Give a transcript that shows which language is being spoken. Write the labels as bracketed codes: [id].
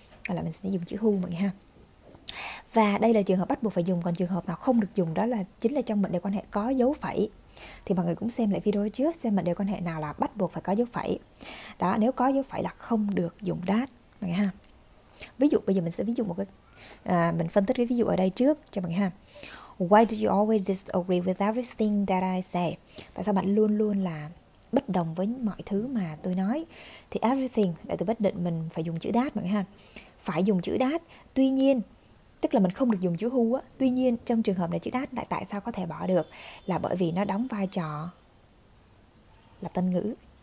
[vi] Hoặc là mình sẽ dùng chữ who mọi người ha. Và đây là trường hợp bắt buộc phải dùng. Còn trường hợp nào không được dùng đó là chính là trong mệnh đề quan hệ có dấu phẩy. Thì mọi người cũng xem lại video trước, xem mệnh đề quan hệ nào là bắt buộc phải có dấu phẩy. Đó, nếu có dấu phẩy là không được dùng that mọi người ha. Ví dụ bây giờ mình sẽ ví dụ một cái mình phân tích cái ví dụ ở đây trước cho mọi người ha. [en] Why do you always disagree with everything that I say? [vi] Tại sao bạn luôn luôn là bất đồng với mọi thứ mà tôi nói? Thì everything là từ bất định, mình phải dùng chữ that mọi người ha. Phải dùng chữ that. Tuy nhiên, tức là mình không được dùng chữ who á. Tuy nhiên trong trường hợp này chữ that lại tại sao có thể bỏ được? Là bởi vì nó đóng vai trò là tân ngữ.